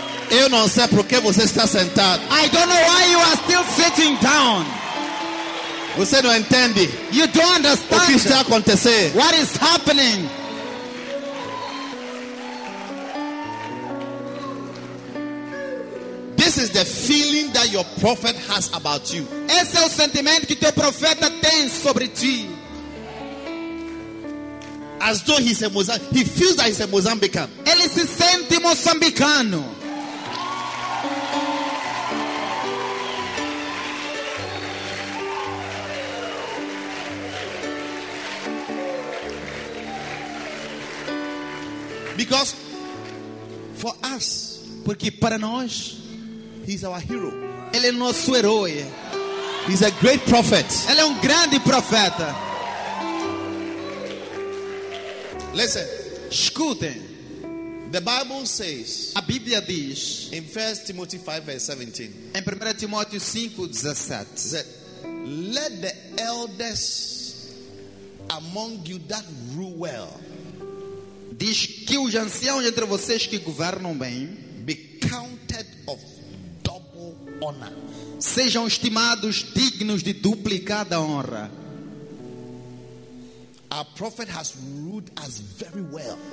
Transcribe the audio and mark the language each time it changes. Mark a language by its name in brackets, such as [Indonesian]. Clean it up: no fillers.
[Portuguese] Eu não sei por que você está sentado. [English] I don't know why you are still sitting down. [Portuguese] Você não entende. [English] You don't understand. [Portuguese] O que está acontecendo? [English] What is happening? This is the feeling that your prophet has about you. [Portuguese] Esse é o sentimento que teu profeta tem sobre ti. [English] As though he's a Mozambican. He feels that he's a Mozambican. [Portuguese] Ele se sente moçambicano. [English] Because for us, [Portuguese] porque para nós, [English] he's our hero. [Portuguese] Ele é nosso herói. [English] He's a great prophet. [Portuguese] Ele é grande profeta. [English] Listen. [Portuguese] Escutem. [English] The Bible says. [Portuguese] A Bíblia diz. [English] In 1 Timothy 5 verse 17. [Portuguese] Em 1 Timóteo 5, 17. [English] Said, let the elders among you that rule well. [Portuguese] Diz que os anciãos entre vocês que governam bem. [English] Be counted of honra. [Portuguese] Sejam estimados dignos de duplicada honra. [English] Our prophet has ruled us very well.